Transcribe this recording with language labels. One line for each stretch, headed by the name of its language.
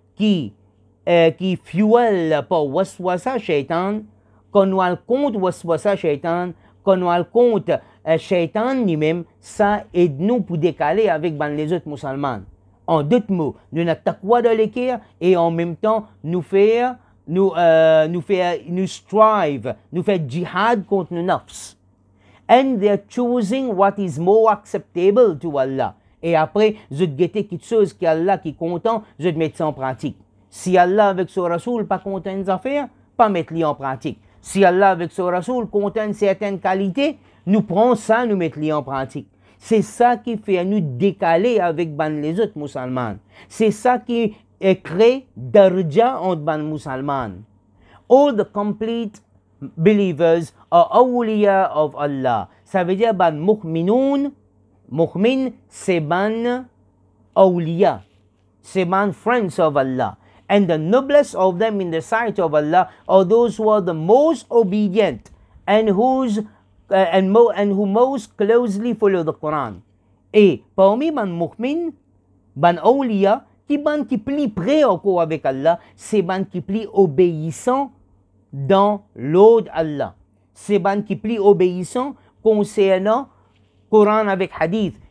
French: qui fuel pour waswasa shaitan, qu'on nous raconte waswasa shaitan, qu'on nous raconte shaitan lui-même, ça aide nous pour décaler avec ben les autres musulmans. En d'autres mots, nous n'attaquons pas de l'équerre et en même temps nous faire jihad contre nos nafs.
English: And they're choosing what is more acceptable to Allah.
French: Et après, je te guette quelque chose qui Allah qui est content, je te mets ça en pratique. Si Allah avec son Rasoul pas content des affaires, pas mettre-le en pratique. Si Allah avec son Rasoul content certaines qualités, nous prenons ça, nous mettre-le en pratique. C'est ça qui fait nous décaler avec ben les autres musulmans. C'est ça qui crée darja entre ben musulmans.
English: All the complete believers are awliya of Allah.
French: Ça veut dire ben mu'minun, mu'min, c'est ben awliya. C'est ben
English: friends of Allah. And the noblest of them in the sight of Allah are those who are the most obedient and whose who most closely follow the Quran.
French: Et parmi ben mu'min, ben awliya, qui ben qui plus près encore avec Allah, c'est ben qui plus obéissant dans l'ode Allah. C'est ben qui plus obéissant concernant Coran avec Hadith.